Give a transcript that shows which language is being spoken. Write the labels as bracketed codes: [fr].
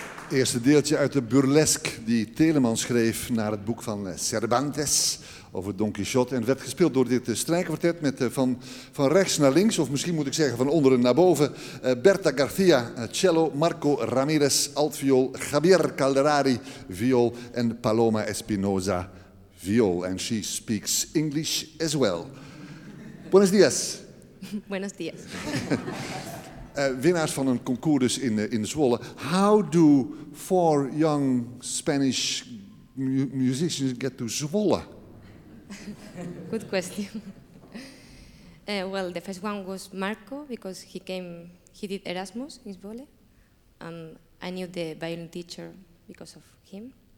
[nl] eerste deeltje uit de burlesque die Telemann schreef naar het boek van Cervantes over Don Quixote. En werd gespeeld door dit strijkkwartet met van rechts naar links, of misschien moet ik zeggen van onderen naar boven, Berta García, cello, Marco Ramirez, altviool, Javier Calderari, viool en Paloma Espinosa, viool. [en] And she speaks English as well. [es] Buenos dias. Buenos dias. [nl] Winnaars van een concours dus in Zwolle. [en] How do four young Spanish musicians get to Zwolle? Good question. Well, the first one was Marco, because he did Erasmus in Zwolle. And I knew the violin teacher because of him.